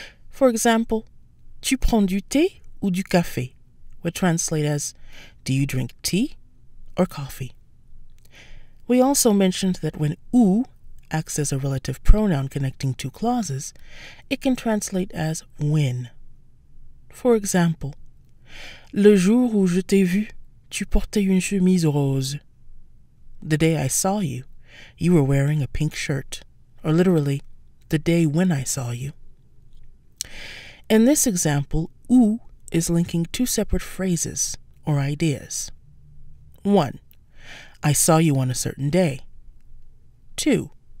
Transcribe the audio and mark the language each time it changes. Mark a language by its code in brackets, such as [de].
[en] For example, [fr] tu prends du thé ou du café, [en] would translate as, do you drink tea or coffee. We also mentioned that when u acts as a relative pronoun connecting two clauses, it can translate as when. For example, [fr] le jour où je t'ai vu, tu portais une chemise rose. [en] The day I saw you, you were wearing a pink shirt, or literally, the day when I saw you. In this example, u is linking two separate phrases or ideas. 1. I saw you on a certain day. 2.